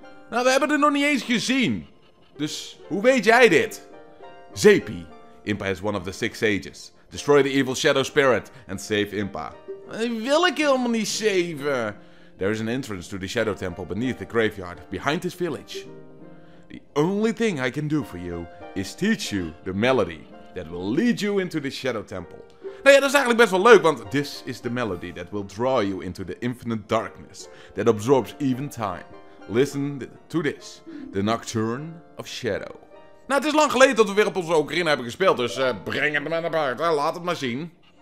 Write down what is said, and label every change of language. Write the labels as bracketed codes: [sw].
[nl] Nou, we hebben het nog niet eens gezien. Dus, hoe weet jij dit? [en] Zapie, Impa is one of the 6 sages. Destroy the evil shadow spirit and save Impa. [nl] Die wil ik helemaal niet saven. [en] There is an entrance to the shadow temple beneath the graveyard, behind this village. The only thing I can do for you is teach you the melody that will lead you into the shadow temple. [nl] Nou ja, dat is eigenlijk best wel leuk, want [en] this is the melody that will draw you into the infinite darkness that absorbs even time. Listen to this, the Nocturne of Shadow. [nl] Nou, het is lang geleden dat we weer op onze Ocarina hebben gespeeld, dus breng het maar naar buiten. Laat het maar zien.